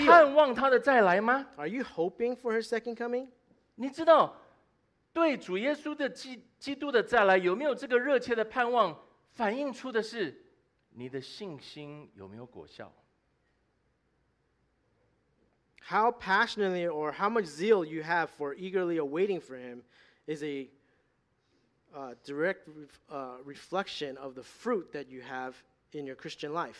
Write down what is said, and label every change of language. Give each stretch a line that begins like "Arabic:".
Chinese: 你盼望他的再来吗？
English: Are you hoping for his second coming?
Chinese: 你知道，对主耶稣的基督的再来，有没有这个热切的盼望，反映出的是你的信心有没有果效。
English: How passionately or how much zeal you have for eagerly awaiting for him is a direct reflection of the fruit that you have in your Christian life.